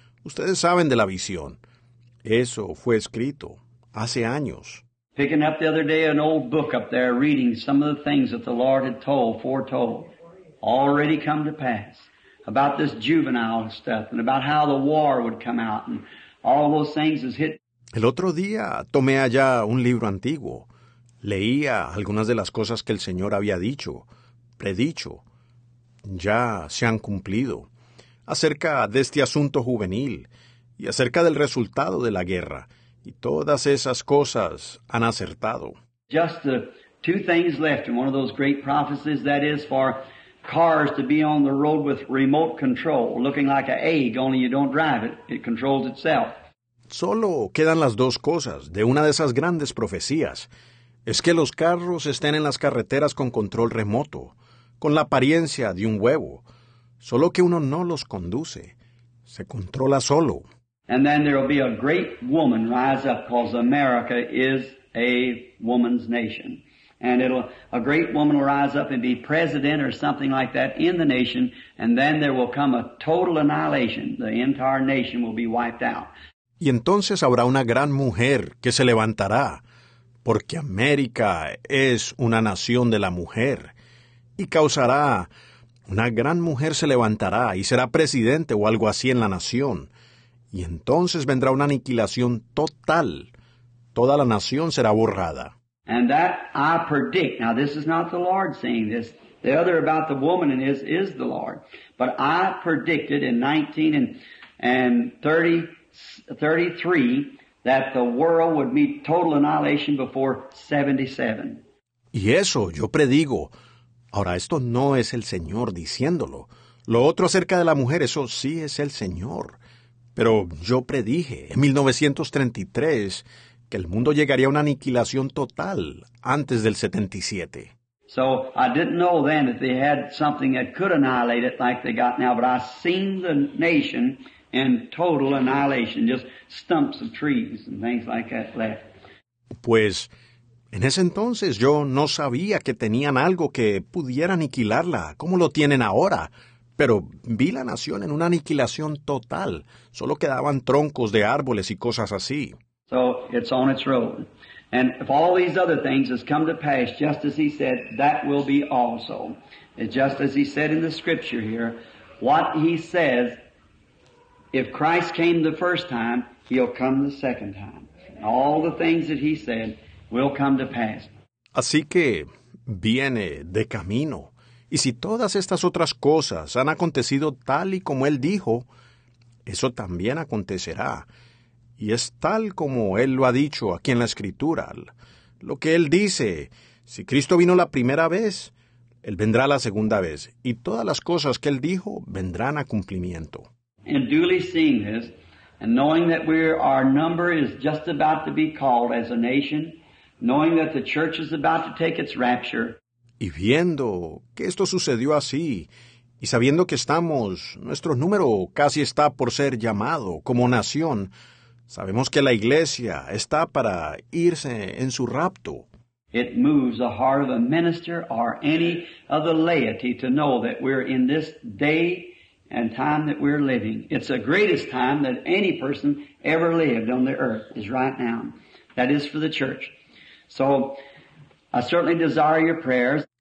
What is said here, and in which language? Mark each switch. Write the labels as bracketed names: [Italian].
[Spanish] Ustedes saben de la visión. Eso fue escrito hace años. [English] Picking up the other day an old book up there, reading some of the things that the Lord had told, foretold, already come to pass, about this juvenile stuff, and about how the war would come out, and all those things has hit. [Spanish] El otro día tomé allá un libro antiguo. Leía algunas de las cosas que el Señor había dicho, predicho. Ya se han cumplido. Acerca de este asunto juvenil y acerca del resultado de la guerra. Y todas esas cosas han acertado. [English] Just the two things left in one of those great prophecies, that is for cars to be on the road with remote control, looking like an egg, only you don't drive it, it controls itself. [Spanish] Solo quedan las dos cosas de una de esas grandes profecías. Es que los carros estén en las carreteras con control remoto, con la apariencia de un huevo. Solo que uno no los conduce. Se controla solo. [English] And then there will be a great woman rise up, because America is a woman's nation. And a great woman will rise up and be president or something like that in the nation, and then there will come a total annihilation. The entire nation will be wiped out. [Spanish] Y entonces habrá una gran mujer que se levantará, porque América es una nación de la mujer, y causará, una gran mujer se levantará y será presidente o algo así en la nación, y entonces vendrá una aniquilación total, toda la nación será borrada. [English] And that I predict, now this is not the Lord saying this, the other about the woman and this is the Lord, but I predicted in 1933 that the world would meet total annihilation before 77. [Spanish] Y eso yo predigo. Ahora, esto no es el Señor diciéndolo. Lo otro acerca de la mujer, eso sí es el Señor. Pero yo predije en 1933 que el mundo llegaría a una aniquilación total antes del 77. [English] So I didn't know then if they had something that could annihilate it like they got now, but I seen the nation and total annihilation, just stumps of trees and things like that left. [Spanish] Pues, en ese entonces yo no sabía que tenían algo que pudiera aniquilarla, como lo tienen ahora, pero vi la nación en una aniquilación total. Solo quedaban troncos de árboles y cosas así. [English] So, it's on its road. And if all these other things has come to pass, just as he said, that will be also. It's just as he said in the scripture here, what he says. If Christ came the first time, he'll come the second time. All the things that he said will come to pass. [Spanish] Así que viene de camino. Y si todas estas otras cosas han acontecido tal y como él dijo, eso también acontecerá. Y es tal como él lo ha dicho aquí en la Escritura. Lo que él dice, si Cristo vino la primera vez, él vendrá la segunda vez. Y todas las cosas que él dijo vendrán a cumplimiento. [English] And duly seeing this, and knowing that our number is just about to be called as a nation, knowing that the church is about to take its rapture. [Spanish] Y viendo que esto sucedió así, y sabiendo que nuestro número casi está por ser llamado como nación, sabemos que la iglesia está para irse en su rapto. [English] It moves the heart of a minister or any of the laity to know that we're in this day and time that we're living. It's the greatest time that any person ever lived on the earth is right now. That is for the church. So, I certainly desire your prayers.